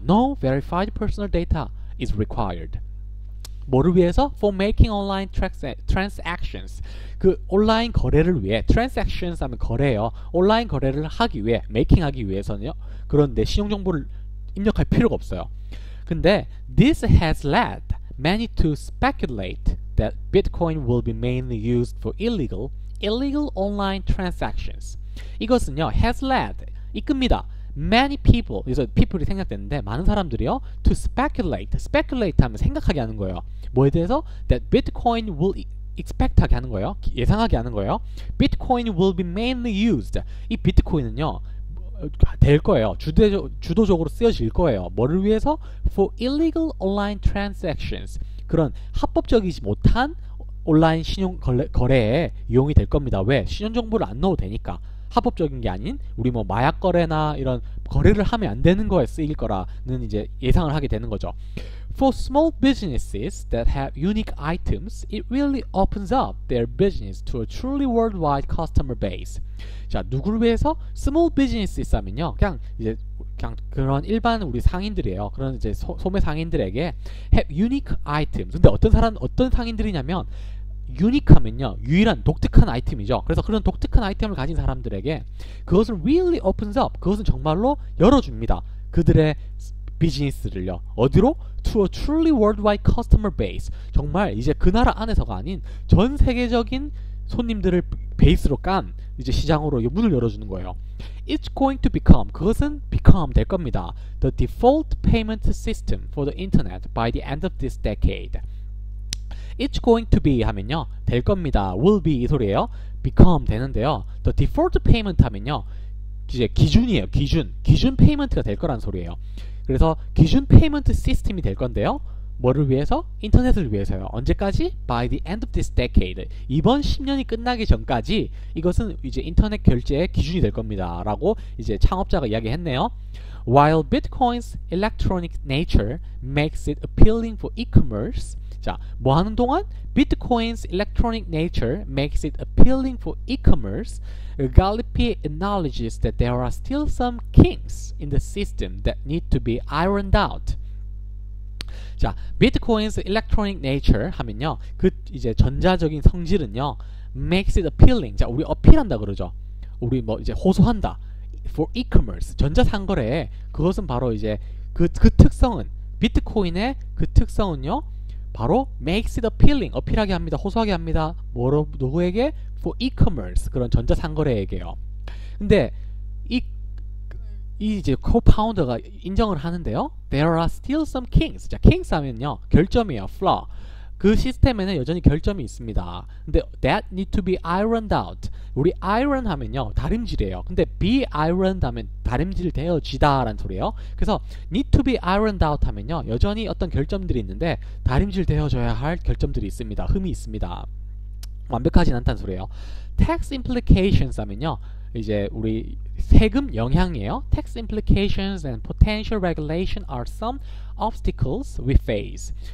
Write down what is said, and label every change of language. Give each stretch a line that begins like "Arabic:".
English: No verified personal data is required.
Korean: 뭐를 위해서?
English: For making online transactions.
Korean: 그 온라인 거래를 위해 transactions 하면 거래예요. 온라인 거래를 하기 위해 making 하기 위해서는요. 그런데 신용정보를 입력할 필요가 없어요.
English: 근데 this has led many to speculate that Bitcoin will be mainly used for illegal online transactions.
Korean: 이것은요.
English: has led
Korean: 이끕니다.
English: Many people,
Korean: 그래서 people이 생각되는데 많은 사람들이요
English: to speculate, speculate
Korean: 하면 생각하게 하는 거예요. 뭐에 대해서?
English: That Bitcoin will expect
Korean: 하게 하는 거예요. 예상하게 하는 거예요.
English: Bitcoin will be mainly used.
Korean: 이 비트코인은요 될 거예요. 주도적으로 쓰여질 거예요. 뭐를 위해서?
English: For illegal online transactions.
Korean: 그런 합법적이지 못한 온라인 신용 거래에 이용이 될 겁니다. 왜? 신용정보를 안 넣어도 되니까. 합법적인 게 아닌 우리 뭐 마약 거래나 이런 거래를 하면 안 되는 거에 쓰일 거라는 이제 예상을 하게 되는 거죠.
English: For small businesses that have unique items, it really opens up their business to a truly worldwide customer base.
Korean: 자, 누구를 위해서?
English: Small businesses
Korean: 하면요. 그냥 이제 그냥 그런 일반 우리 상인들이에요. 그런 이제 소매 상인들에게
English: have unique items.
Korean: 근데 어떤 상인들이냐면 유니크하면요 유일한 독특한 아이템이죠. 그래서 그런 독특한 아이템을 가진 사람들에게 그것을
English: really opens up
Korean: 그것은 정말로 열어줍니다. 그들의 비즈니스를요 어디로?
English: To a truly worldwide customer base.
Korean: 정말 이제 그 나라 안에서가 아닌 전 세계적인 손님들을 베이스로 깐 이제 시장으로 문을 열어주는 거예요.
English: It's going to become
Korean: 그것은
English: become
Korean: 될 겁니다.
English: The default payment system for the internet by the end of this decade. It's going to be
Korean: 하면요. 될 겁니다.
English: Will be
Korean: 이 소리예요. Become 되는데요.
English: The default payment
Korean: 하면요. 이제 기준이에요. 기준. 기준 페이먼트가 될 거란 소리예요. 그래서 기준 페이먼트 시스템이 될 건데요. 뭐를 위해서? 인터넷을 위해서요. 언제까지?
English: By the end of this decade.
Korean: 이번 10년이 끝나기 전까지 이것은 이제 인터넷 결제의 기준이 될 겁니다. 라고 이제 창업자가 이야기했네요.
English: While Bitcoin's electronic nature makes it appealing for e-commerce.
Korean: 자, 뭐 하는 동안?
English: Bitcoin's electronic nature makes it appealing for e-commerce. Galippi acknowledges that there are still some kinks in the system that need to be ironed out.
Korean: 자,
English: Bitcoin's electronic nature
Korean: 하면요. 그 이제 전자적인 성질은요.
English: makes it appealing.
Korean: 자, 우리 어필한다 그러죠. 우리 뭐 이제 호소한다.
English: for e-commerce.
Korean: 전자상거래에 그것은 바로 이제 그 특성은 비트코인의 그 특성은요. 바로
English: makes it appealing.
Korean: 어필하게 합니다. 호소하게 합니다. 뭐로 누구에게?
English: for e-commerce.
Korean: 그런 전자상거래에게요. 근데 이 이제 코파운더가 인정을 하는데요.
English: There are still some kinks. 자, kinks
Korean: 하면요. 결점이에요.
English: flaw.
Korean: 그 시스템에는 여전히 결점이 있습니다. 근데
English: that need to be ironed out.
Korean: 우리 iron 하면요. 다림질이에요. 근데 be ironed 하면 다림질되어지다 라는 소리예요.
English: 그래서 need to be ironed out 하면요.
Korean: 여전히 어떤 결점들이 있는데 다림질되어져야 할 결점들이 있습니다. 흠이 있습니다. 완벽하진 않다는 소리예요.
English: tax implications 하면요.
Korean: 이제 우리 세금 영향이에요.
English: Tax implications and potential regulation are some obstacles we face.